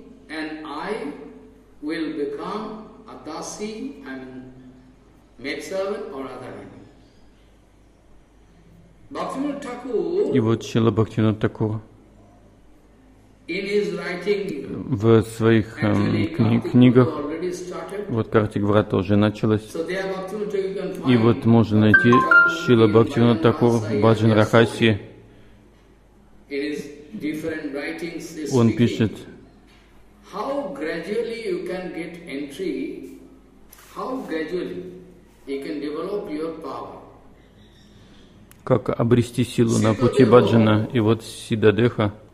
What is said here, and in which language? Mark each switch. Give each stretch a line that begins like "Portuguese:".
English: And I will become a dasi, maidservant or other.
Russian: Бхактивинода Тхакур. И вот Шрила Бхактивинода Тхакур.
English: In his writing.
Russian: В своих книгах. Вот Картик Врата уже началась.
English: So there, Бхактивинода Тхакур, you can find.
Russian: И вот можно найти Шрила Бхактивинода Тхакур в Баджан Рахасе.
English: In his different writings.
Russian: Он пишет.
English: How gradually you can get entry, how gradually you can develop your power.
Russian: Как обрести силу на пути баджана, и вот Сиддхадеха.